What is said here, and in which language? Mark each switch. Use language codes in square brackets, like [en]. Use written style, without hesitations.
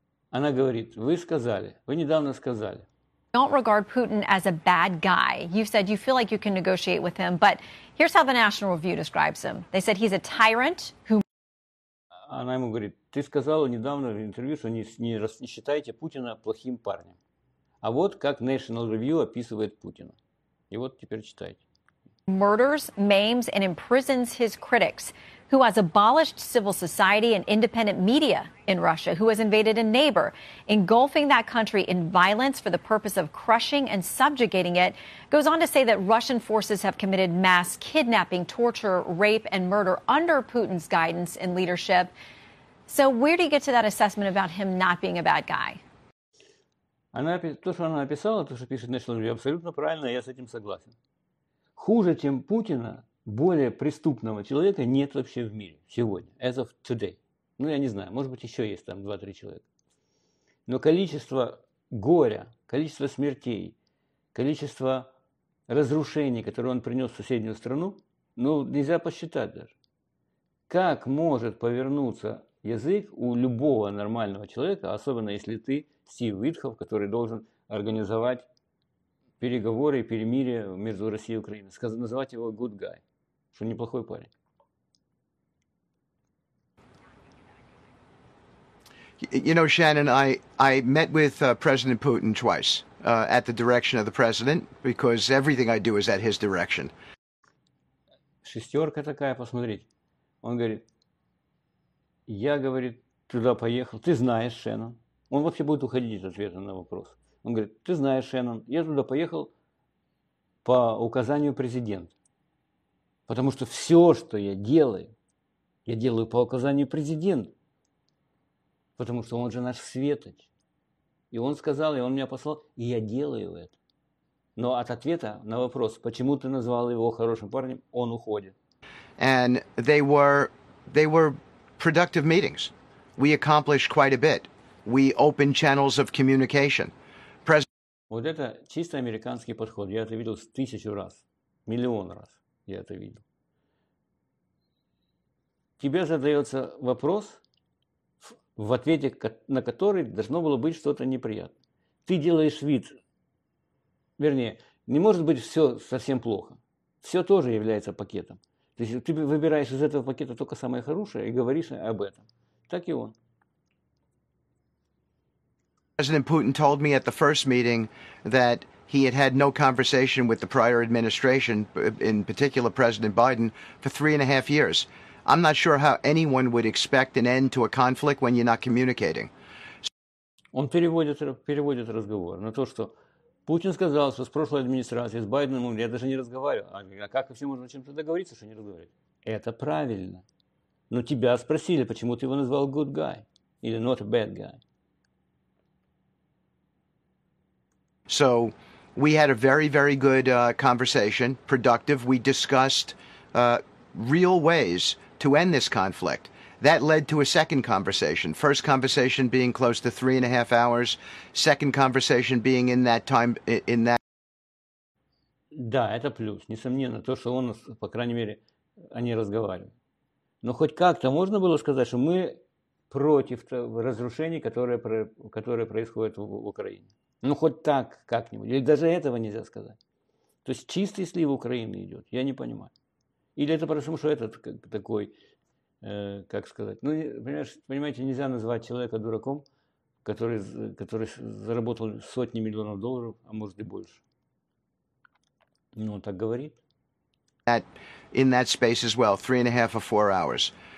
[ru] Она говорит, вы сказали, вы недавно сказали. [en] Don't regard Putin as a bad guy. You've said you feel like you can negotiate with him, but here's how the National Review describes him. They said he's a tyrant who. [ru] Она ему говорит, ты сказала недавно в интервью, что не считаете Путина плохим парнем. А вот как National Review описывает Путина. И вот теперь читайте. [en] Murders, maims, and imprisons his critics, who has abolished civil society and independent media in Russia, who has invaded a neighbor, engulfing that country in violence for the purpose of crushing and subjugating it, goes on to say that Russian forces have committed mass kidnapping, torture, rape, and murder under Putin's guidance and leadership. So, where do you get to that assessment about him not being a bad guy? [ru] Она, то, что она написала, то, что пишет National Review, абсолютно правильно, я с этим согласен. Хуже, чем Путина, более преступного человека нет вообще в мире сегодня, [en] as of today. [ru] Ну, я не знаю, может быть, еще есть там 2-3 человека. Но количество горя, количество смертей, количество разрушений, которые он принес в соседнюю страну, ну, нельзя посчитать даже. как может повернуться язык у любого нормального человека, особенно если ты Стив Витхов, который должен организовать переговоры и перемирие между Россией и Украиной. Называть его [en] good guy, [ru] что неплохой парень. [en] You know, Shannon, I met with President Putin twice at the direction of the president, because everything I do is at his direction. [ru] Шестерка такая, посмотрите. Он говорит, я, говорит, туда поехал. Ты знаешь, Шеннон. Он вообще будет уходить от ответа на вопрос. Он говорит, ты знаешь, Шеннон, я туда поехал по указанию президента. Потому что все, что я делаю по указанию президента. Потому что он же наш светоч. И он сказал, и он меня послал, и я делаю это. Но от ответа на вопрос, почему ты назвал его хорошим парнем, он уходит. [en] And they were productive meetings. We accomplished quite a bit. We opened channels of communication. [ru] Вот это чисто американский подход. Я это видел тысячу раз, миллион раз я это видел. Тебе задается вопрос, в ответе на который должно было быть что-то неприятное. Ты делаешь вид. Вернее, не может быть все совсем плохо. Все тоже является пакетом. То есть ты выбираешь из этого пакета только самое хорошее и говоришь об этом. Так и он. [en] President Putin told me at the first meeting that he had had no conversation with the prior administration, in particular President Biden, for 3.5 years. I'm not sure how anyone would expect an end to a conflict when you're not communicating. [ru] Он переводит разговор на то, что Путин сказал, что с прошлой администрацией, с Байденом, я даже не разговариваю. А как вообще можно о чем-то договориться, что не разговаривать? Это правильно. Но тебя спросили, почему ты его назвал [en] good guy [ru] или [en] not a bad guy. So we had a very, very good conversation, productive. We discussed real ways to end this conflict. That led to a second conversation. First conversation being close to 3.5 hours. Second conversation being in that time, in that. [ru] Да, это плюс, несомненно, то, что он, по крайней мере, они разговаривали. Но хоть как-то можно было сказать, что мы против разрушений, которые происходят в Украине. Ну, хоть так как-нибудь. Или даже этого нельзя сказать. То есть чистый слив Украины идет, я не понимаю. Или это потому, что этот такой, как сказать, ну, понимаете, нельзя назвать человека дураком, который заработал сотни миллионов долларов, а может и больше. Ну, он так говорит. [en] That, in that space as well, 3.5 or 4 hours.